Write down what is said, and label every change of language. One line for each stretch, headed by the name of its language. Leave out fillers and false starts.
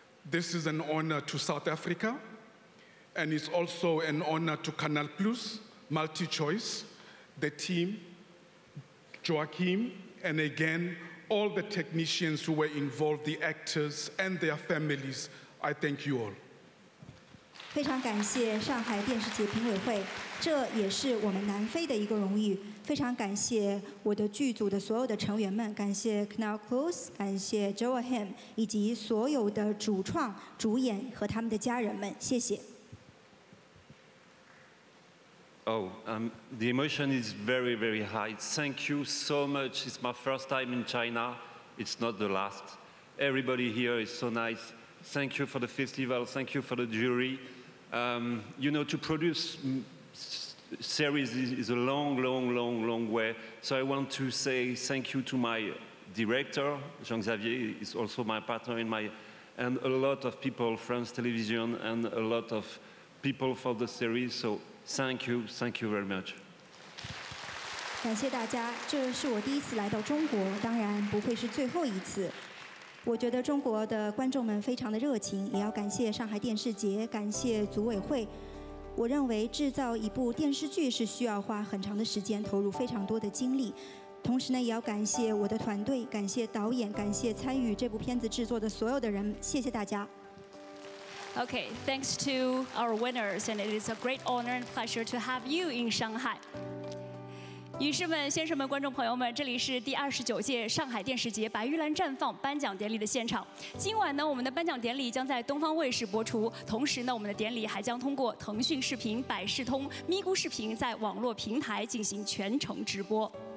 English: This is an honor to South Africa, and it's also an honor to Canal Plus, MultiChoice, the team, Joachim, and again, all the technicians who were involved, the actors and their families. I thank you all.
Chinese: 非常感谢上海电视节评委会，这也是我们南非的一个荣誉。非常感谢我的剧组的所有的成员们，感谢 Knell Close， 感谢 Joachim， 以及所有的主创、主演和他们的家人们，谢谢。
English: The emotion is very, very high. Thank you so much. It's my first time in China. It's not the last. Everybody here is so nice. Thank you for the festival. Thank you for the jury. You know, to produce series is a long, long, long, long way. So I want to say thank you to my director, Jean-Xavier. He's also my partner in my, and a lot of people, France Television, and a lot of people for the series. So thank you very much.
Chinese: 感谢大家，这是我第一次来到中国，当然不会是最后一次。我觉得中国的观众们非常的热情，也要感谢上海电视节，感谢组委会。我认为制造一部电视剧是需要花很长的时间，投入非常多的精力。同时呢，也要感谢我的团队，感谢导演，感谢参与这部片子制作的所有的人，谢谢大家。
English: Okay, thanks to our winners, and it is a great honor and pleasure to have you in Shanghai.
Chinese: 女士们、先生们、观众朋友们，这里是第二十九届上海电视节白玉兰绽放颁奖典礼的现场。今晚呢，我们的颁奖典礼将在东方卫视播出，同时呢，我们的典礼还将通过腾讯视频、百视通、咪咕视频在网络平台进行全程直播。